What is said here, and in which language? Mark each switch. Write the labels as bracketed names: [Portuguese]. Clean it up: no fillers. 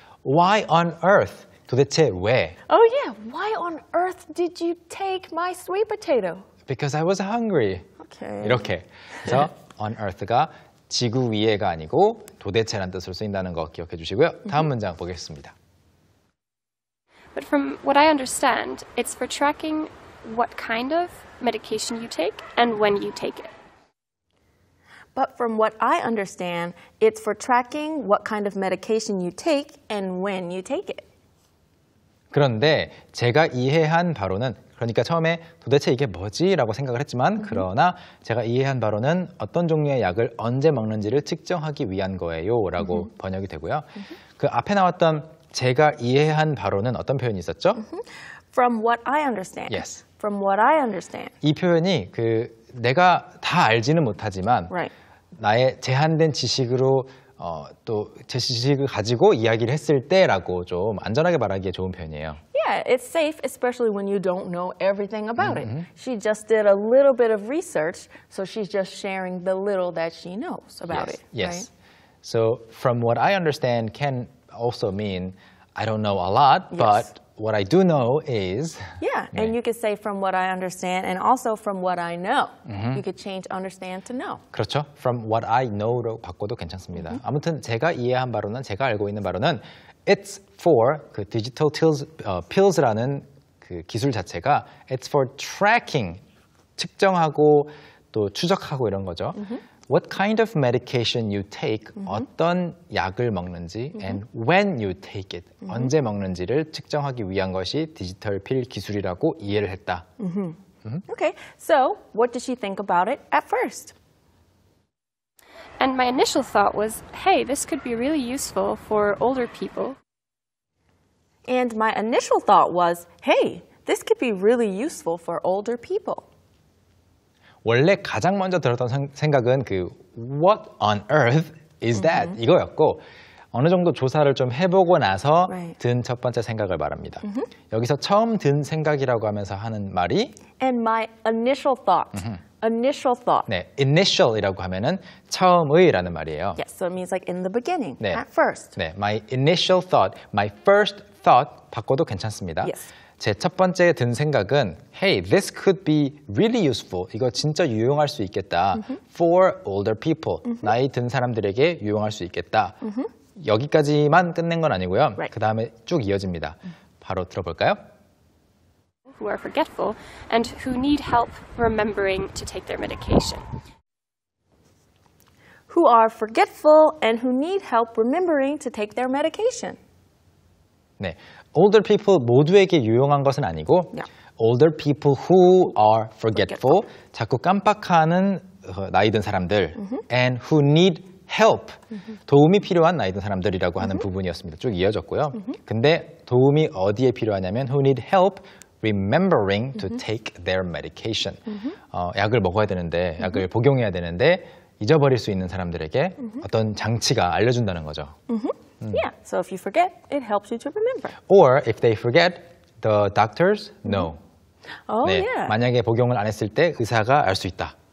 [English] Why on earth? [Korean] 도대체 왜? [English] Oh yeah, why on earth did you take my sweet potato? Because I was hungry. Okay. [Korean] 이렇게. 그래서 on earth가 지구 위에가 아니고 도대체란 뜻으로 쓰인다는 거 기억해 주시고요. 다음 문장 보겠습니다. [English] But from what I understand, it's for tracking what kind of medication you take and when you take it. But from what I understand, it's for tracking what kind of medication you take and when you take it. [Korean] 그런데 제가 이해한 바로는 그러니까 처음에 도대체 이게 뭐지? 라고 생각을 했지만 그러나 제가 이해한 바로는 어떤 종류의 약을 언제 먹는지를 측정하기 위한 거예요 라고 번역이 되고요. 그 앞에 나왔던 제가 이해한 바로는 어떤 표현이 있었죠? [English] From what I understand. Yes. From what I understand. [Korean] 이 표현이 그 내가 다 알지는 못하지만 [English] right. [Korean] 나의 제한된 지식으로 또 제 지식을 가지고 이야기를 했을 때라고 좀 안전하게 말하기에 좋은 표현이에요. [English] Yeah, it's safe, especially when you don't know everything about it. She just did a little bit of research, so she's just sharing the little that she knows about it. Yes. So from what I understand can also mean I don't know a lot, yes. but what I do know is... Yeah, and 네. you could say from what I understand and also from what I know. Mm-hmm. You could change understand to know. [Korean] 그렇죠. [English] From what I know [Korean] 로 바꿔도 괜찮습니다. Mm-hmm. 아무튼 제가 이해한 바로는, 제가 알고 있는 바로는 It's for 그 digital tools, pills라는 그 기술 자체가 [English] It's for tracking, [Korean] 측정하고 또 추적하고 이런 거죠. Mm-hmm. [English] What kind of medication you take, mm-hmm. [Korean] 어떤 약을 먹는지, [English] mm-hmm. and when you take it, mm-hmm. [Korean] 언제 먹는지를 측정하기 위한 것이 디지털 필 기술이라고 이해를 했다. Mm-hmm. Mm-hmm. [English] Okay, so what did she think about it at first? And my initial thought was, hey, this could be really useful for older people. And my initial thought was, hey, this could be really useful for older people. [Korean] 원래 가장 먼저 들었던 생각은 그 [English] What on earth is that? [Korean] Mm-hmm. 이거였고 어느 정도 조사를 좀 해보고 나서 right. 든 첫 번째 생각을 말합니다. Mm-hmm. 여기서 처음 든 생각이라고 하면서 하는 말이 [English] And my initial thought. Mm-hmm. Initial thought. [Korean] 네, initial이라고 하면은 처음의라는 말이에요. [English] Yes, so it means like in the beginning, 네. at first. [Korean] 네, [English] my initial thought, my first thought [Korean] 바꿔도 괜찮습니다. Yes. 제 첫 번째 든 생각은 [English] Hey, this could be really useful. [Korean] 이거 진짜 유용할 수 있겠다. [English] Mm-hmm. For older people. Mm-hmm. [Korean] 나이 든 사람들에게 유용할 수 있겠다. Mm-hmm. 여기까지만 끝낸 건 아니고요. [English] Right. [Korean] 그 다음에 쭉 이어집니다. 바로 들어볼까요? [English] Who are forgetful and who need help remembering to take their medication. Who are forgetful and who need help remembering to take their medication. [Korean] 네. Older people 모두에게 유용한 것은 아니고 [English] yeah. Older people who are forgetful, 자꾸 깜빡하는 나이 든 사람들 mm-hmm. and who need help, [Korean] mm-hmm. 도움이 필요한 나이 든 사람들이라고 하는 mm-hmm. 부분이었습니다. 쭉 이어졌고요. Mm-hmm. 근데 도움이 어디에 필요하냐면 [English] who need help remembering to mm-hmm. take their medication. Mm-hmm. [Korean] 약을 먹어야 되는데, 약을 mm-hmm. 복용해야 되는데 잊어버릴 수 있는 사람들에게 mm-hmm. 어떤 장치가 알려준다는 거죠. Mm-hmm. [English] Yeah, so if you forget, it helps you to remember. Or if they forget, the doctors know. Oh, 네. yeah. [Korean] 만약에 복용을 안 했을 때 의사가 알 수 있다.